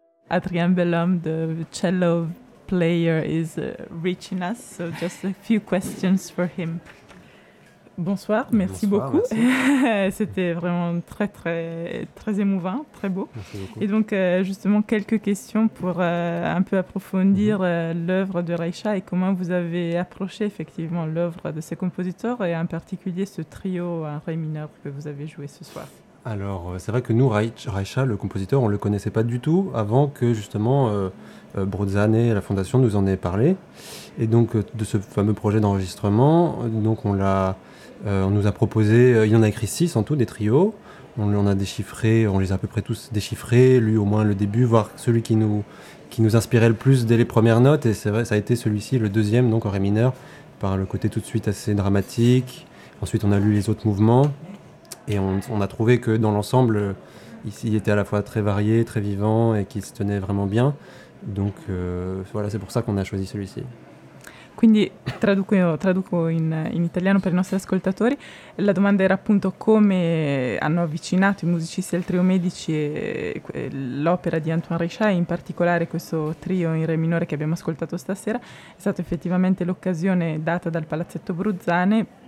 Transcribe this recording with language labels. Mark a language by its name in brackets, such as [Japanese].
[English] Adrien Bellom, the cello player, is reaching us, so just a few questions for him. [French] Bonsoir, merci. Bonsoir, beaucoup. Merci. C'était vraiment très, très, très émouvant, très beau. Merci beaucoup. Et donc, justement, quelques questions pour un peu approfondir l'œuvre de Reicha et comment vous avez approché effectivement l'œuvre de ses compositeurs et en particulier ce trio en ré mineur que vous avez joué ce soir. Alors, c'est vrai que nous, Reicha, le compositeur, on ne le connaissait pas du tout avant que justement Bruzane et la Fondation nous en aient parlé. Et donc, de ce fameux projet d'enregistrement, donc on l'a. On nous a proposé, il y en a écrit 6 en tout, des trios. On les a déchiffrés, on les a à peu près tous déchiffrés, lui au moins le début, voire celui qui nous inspirait le plus dès les premières notes. Et c'est vrai, ça a été celui-ci, le deuxième, donc en ré mineur, par le côté tout de suite assez dramatique. Ensuite, on a lu les autres mouvements. Et on a trouvé que dans l'ensemble, il était à la fois très varié, très vivant et qu'il se tenait vraiment bien. Donc voilà, c'est pour ça qu'on a choisi celui-ci. [Italian] Quindi traduco in italiano per i nostri ascoltatori. La domanda era appunto come hanno avvicinato i musicisti al Trio Medici e l'opera di Antoine Reicha, in particolare questo trio in re minore che abbiamo ascoltato stasera. È stata effettivamente l'occasione data dal Palazzetto Bruzane.